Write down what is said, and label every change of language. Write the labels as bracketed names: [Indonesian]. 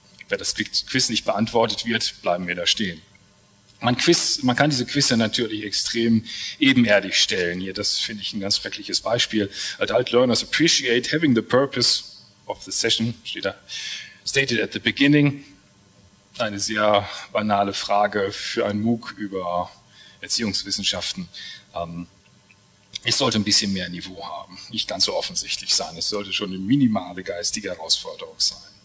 [German] Wer das Quiz nicht beantwortet wird, bleiben wir da stehen. Man kann diese Quizze natürlich extrem ebenerdig stellen. Hier, das finde ich ein ganz schreckliches Beispiel. [English] Adult learners appreciate having the purpose of the session, [German] steht da, [English] stated at the beginning. [German] Eine sehr banale Frage für ein MOOC über Erziehungswissenschaften. Es sollte ein bisschen mehr Niveau haben, nicht ganz so offensichtlich sein. Es sollte schon eine minimale geistige Herausforderung sein.